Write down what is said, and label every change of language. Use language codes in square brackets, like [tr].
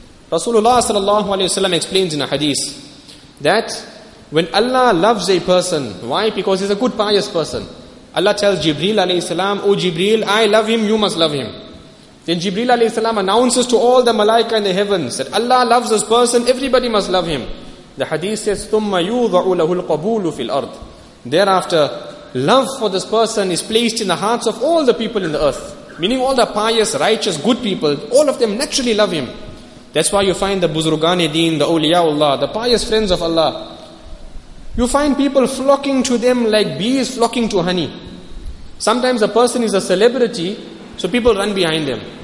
[en] Rasulullah sallallahu alayhi wa sallam explains in a hadith that when Allah loves a person, why? Because he's a good, pious person. Allah tells Jibreel alayhi salam, O Jibreel, I love him, you must love him. Then Jibreel alayhi salam announces to all the malaika in the heavens that Allah loves this person, everybody must love him. The hadith says, [ar] ثُمَّ يُوضَعُ لَهُ الْقَبُولُ فِي الْأَرْضِ. [en] Thereafter, love for this person is placed in the hearts of all the people in the earth. Meaning all the pious, righteous, good people, all of them naturally love him. That's why you find the Buzrugani Deen, the Awliyaullah, the pious friends of Allah. You find people flocking to them like bees flocking to honey. Sometimes a person is a celebrity, so people run behind them.